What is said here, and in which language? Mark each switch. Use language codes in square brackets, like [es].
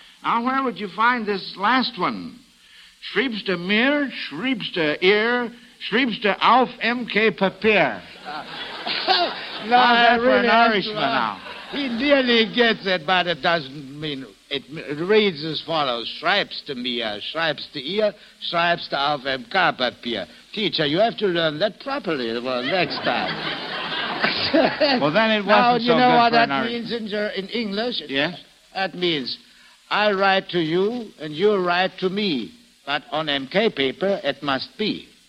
[en] Now, where would you find this last one? Shreepster Mir, Shreepster Ear, Shreepster Auf M.K. Papier. Now, that's really for an Irishman now. He nearly gets it, but it doesn't mean... It reads as follows. [de] Shreibst du mir, schreibst du ihr, schreibst du auf dem Papier. [en] Teacher, you have to learn that properly next time. Well, then it wasn't now, so good. Now, you know what that Irish... means in English? Yes? That means I write to you and you write to me. But on MK paper, it must be.